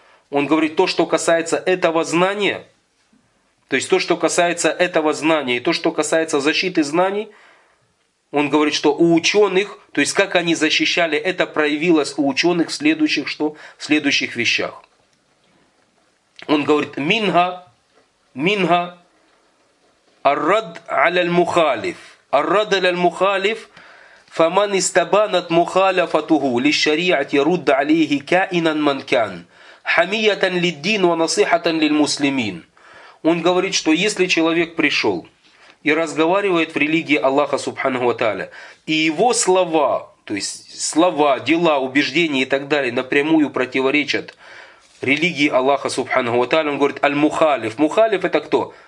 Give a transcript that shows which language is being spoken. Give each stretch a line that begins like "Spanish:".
Russian: Он говорит, то, что касается этого знания – то есть то, что касается этого знания и то, что касается защиты знаний, он говорит, что у ученых, то есть как они защищали, это проявилось у ученых в следующих вещах. Он говорит, минга,
Arabic: منها الرد على المخالف، الرد على المخالف، فمن استبانت مخالفته للشريعة يرد عليه كائنا من كان، حمية للدين ونصيحة للمسلمين.
Russian: Он говорит, что если человек пришел и разговаривает в религии Аллаха Субханаху ва Тааля, и его слова, то есть слова, дела, убеждения и так далее, напрямую противоречат религии Аллаха Субханаху ва Тааля, он говорит, аль-мухалиф. Мухалиф это кто?